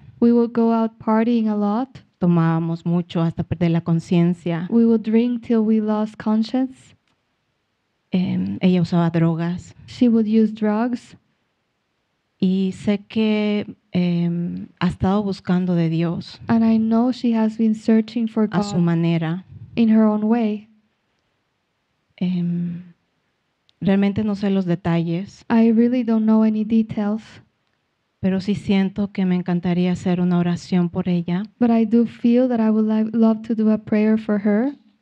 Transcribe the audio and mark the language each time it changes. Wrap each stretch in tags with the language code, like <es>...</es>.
<en>Out. We would go out partying a lot.</en> <es>Tomábamos mucho hasta perder la conciencia.</es> <en>We would drink till we lost conscience.</en> <es>Ella usaba drogas.</es> <en>She would use drugs.</en> <es>Y sé que ha estado buscando de Dios.</es> <en>And I know she has been searching for God.</en> <es>A su manera.</es> <en>In her own way.</en> <es>Realmente no sé los detalles.</es> <en>I really don't know any details.</en> <es>Pero sí siento que me encantaría hacer una oración por ella.</es> <en>But I do feel that I would love to do a prayer for her.</en>